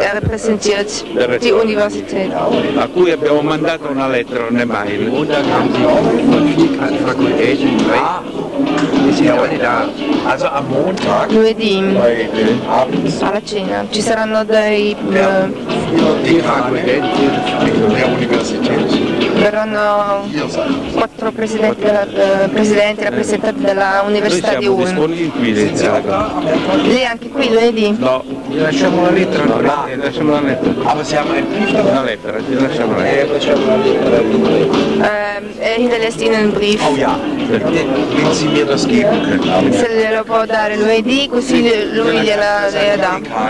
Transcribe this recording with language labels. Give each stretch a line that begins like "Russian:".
German: er repräsentiert die Universität.
Italian: A cui abbiamo mandato una lettera, una mail.
German: Und dann haben Sie die Fakultät in Ulm. Sie sind heute da. Also am Montag.
Italian: Lunedì. Alla cena. Ci saranno dei.
German: Die Fakultät der Universität.
Italian: Verranno quattro presidenti, presidenti rappresentanti della Università di Ulm. Noi siamo disponibili. Lei anche qui lunedì? No, gli lasciamo la lettera. No, lasciamo la lettera. Ah, possiamo una lettera, gli lasciamo la lettera.
German: Hinterlässt Ihnen einen Brief. Oh ja, wenn Sie mir das geben können.
Italian: Se glielo può dare lunedì, così lui gliela dà.